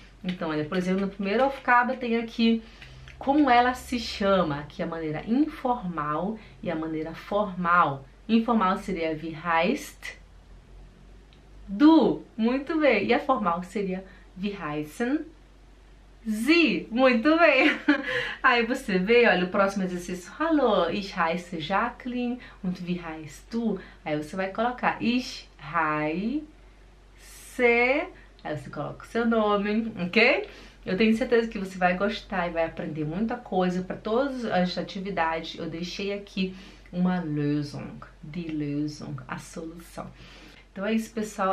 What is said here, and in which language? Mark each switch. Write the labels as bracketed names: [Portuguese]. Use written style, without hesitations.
[Portuguese] Então, olha, por exemplo, no primeiro alfabeto tem aqui como ela se chama, que é a maneira informal e a maneira formal. Informal seria [German] wie heißt du, [Portuguese] muito bem. E a formal seria [German] wie heißen Sie, [Portuguese] muito bem. Aí você vê, olha, o próximo exercício. [German] Hallo, ich heiße Jacqueline und wie heißt du? [Portuguese] Aí você vai colocar [German] ich heiße, [Portuguese] aí você coloca o seu nome, ok? Eu tenho certeza que você vai gostar e vai aprender muita coisa. Para todas as atividades, eu deixei aqui uma Lösung, die Lösung, a solução. Então é isso, pessoal.